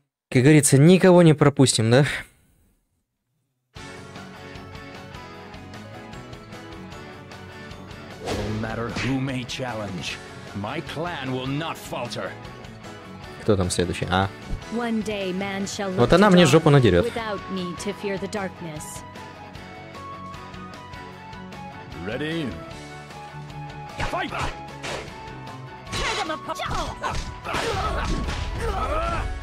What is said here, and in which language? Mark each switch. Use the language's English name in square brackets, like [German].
[Russian] Как говорится, никого не пропустим, да? [English] No matter who may challenge, my clan will not falter. [Russian] Кто там следующий? А? [English] One day man shall look [Russian] вот она мне жопу надерет. [English] Without need to fear the darkness. Ready? Fight! Tear them apart!